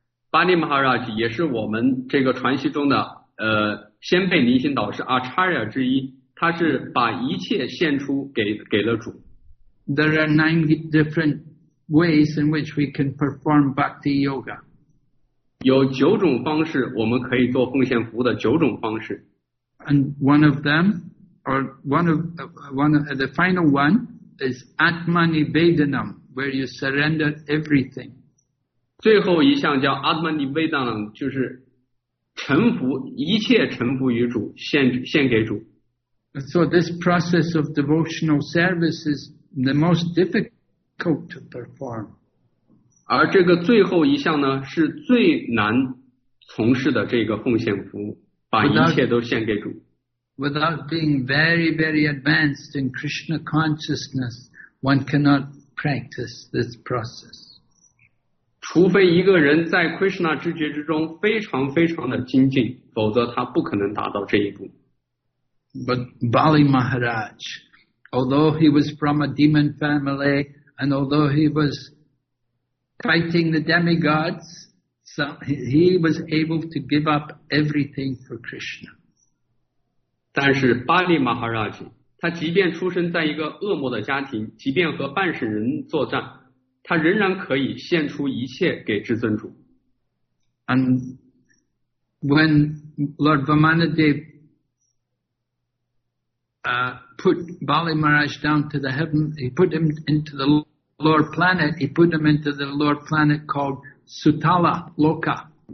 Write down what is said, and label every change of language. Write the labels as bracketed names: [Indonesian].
[Chinese] Bali Maharaj 也是我们这个传习中的先辈灵性导师 acharya 之一，他是把一切献出给了主。 [English] There are 9 different ways in which we can perform bhakti yoga. [Chinese] 有九种方式我们可以做奉献服务的九种方式。 [English] And one of them. Or the final one is Atmanivedanam, where you surrender everything. [Chinese] 最后一项叫 Atmanivedanam, 就是臣服，一切臣服于主，献给主。 [English] So this process of devotional service is the most difficult to perform. [Chinese] 而这个最后一项呢，是最难从事的这个奉献服务，把一切都献给主。 [English] Without being very, very advanced in Krishna consciousness, one cannot practice this process. [Chinese] 除非一个人在 Krishna 知觉之中非常非常的精进，否则他不可能达到这一步。 [English] But Bali Maharaj, although he was from a demon family, and although he was fighting the demigods, so he was able to give up everything for Krishna. [Chinese] 但是巴利马哈拉吉，他即便出生在一个恶魔的家庭，即便和半神人作战，他仍然可以献出一切给至尊主。 [English] And when Lord Vamanadeva put Bali Maharaj down to the heaven, he put him into the lower planet. He put him into the lower planet called Sutala Loka.